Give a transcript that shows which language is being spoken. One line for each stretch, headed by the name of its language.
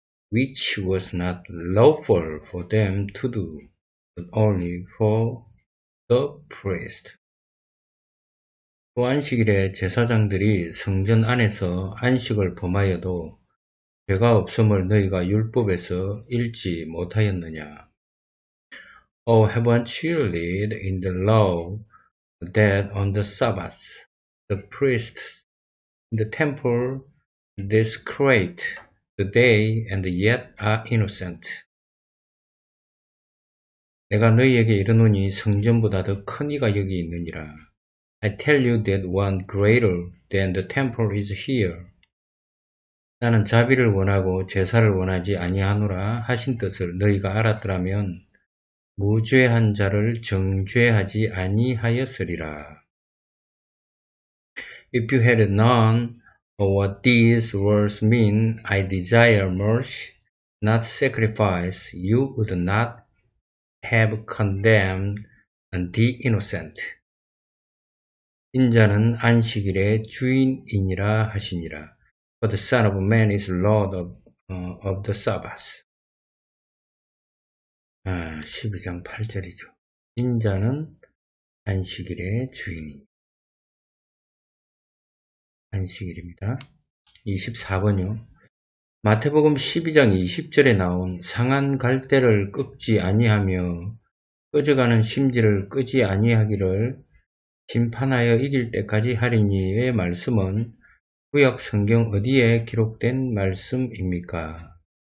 English: Which was not lawful for them to do, but only for the priest.
Korean: 보안식일에 제사장들이 성전 안에서 안식을 범하여도 죄가 없음을 너희가 율법에서 읽지 못하였느냐?
English: Oh, haven't you read in the law that on the Sabbath the priests in the temple desecrate the day and yet are innocent?
Korean: 내가 너희에게 이르노니 성전보다 더 큰 이가 여기 있느니라.
English: I tell you that one greater than the temple is here.
Korean: 나는 자비를 원하고 제사를 원하지 아니하노라 하신 뜻을 너희가 알았더라면 무죄한 자를 정죄하지 아니하였으리라.
English: If you had known what these words mean, I desire mercy, not sacrifice, you would not have condemned the innocent.
Korean: 인자는 안식일의 주인이니라 하시니라.
English: But the Son of Man is Lord of the Sabbath.
Korean: 12장 8절이죠. 인자는 안식일의 주인이니라. 안식일입니다. 24번요. 마태복음 12장 20절에 나온 상한 갈대를 꺾지 아니하며 꺼져가는 심지를 끄지 아니하기를 심판하여 이길 때까지 하리니의 말씀은 구약 성경 어디에 기록된 말씀입니까?